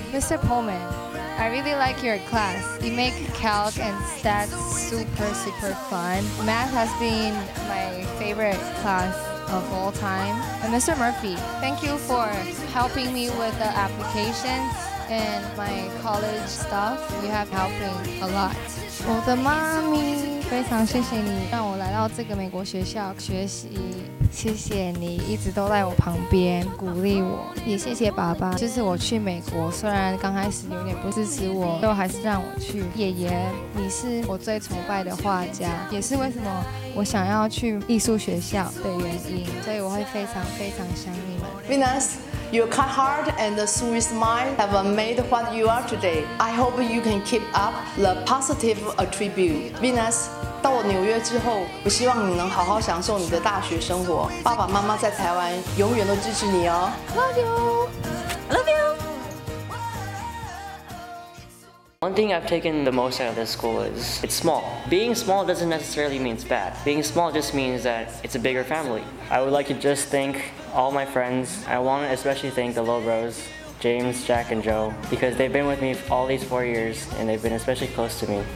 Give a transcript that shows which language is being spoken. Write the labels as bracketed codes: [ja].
[en] Mr. Pullman, I really like your class. You make calc and stats super, super fun. Math has been my favorite class of all time. And Mr. Murphy, thank you for helping me with the applications and my college stuff. You have helped me a lot. [zh] 我的妈咪，非常谢谢你让我来到这个美国学校学习。谢谢你一直都在我旁边鼓励我，也谢谢爸爸支持我去美国，虽然刚开始有点不支持我，都还是让我去。爷爷，你是我最崇拜的画家，也是为什么我想要去艺术学校的原因，所以我会非常非常想你们。 [en] Venus, your kind heart and sweet smile have made what you are today. I hope you can keep up the positive attribute. [zh] Venus,到了纽约之后，我希望你能好好享受你的大学生活。爸爸妈妈在台湾永远都支持你哦。 [en] Love you, love you. One thing I've taken the most out of this school is it's small. Being small doesn't necessarily mean it's bad. Being small just means that it's a bigger family. I would like to just thank all my friends. I want to especially thank the Lobros. James, Jack, and Joe, because they've been with me all these 4 years, and they've been especially close to me.